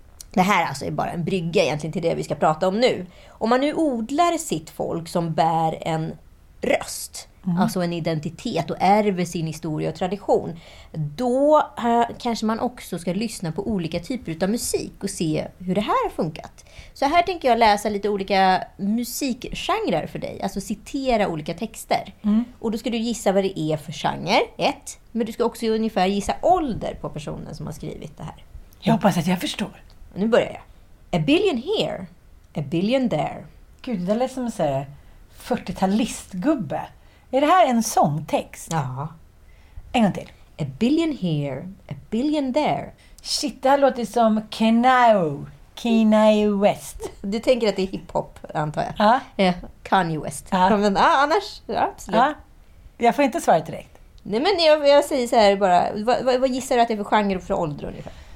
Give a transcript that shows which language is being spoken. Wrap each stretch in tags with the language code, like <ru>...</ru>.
<sv>Det här alltså är bara en brygga egentligen till det vi ska prata om nu. Om man nu odlar sitt folk som bär en röst, mm, alltså en identitet och ärver sin historia och tradition, då kanske man också ska lyssna på olika typer av musik och se hur det här har funkat. Så här tänker jag läsa lite olika musikgenrer för dig, alltså citera olika texter. Mm. Och då ska du gissa vad det är för genre, ett. Men du ska också ungefär gissa ålder på personen som har skrivit det här. Jag hoppas att jag förstår. Nu börjar jag.</sv> <en>A billion here, a billion there.</en> <sv>Gud, det lät som en sån här 40-talistgubbe. Är det här en sångtext? Ja. En gång till.</sv> <en>A billion here, a billion there.</en> <sv>Shit, det här låter som Kanye. Kanye West. Du tänker att det är hiphop, antar jag. Ja. Kanye West. Ja. Men annars, ja, absolut. Ja. Jag får inte svara direkt. Nej, men jag säger så här bara. Vad gissar du att det är för genre och för ålder ungefär?</sv>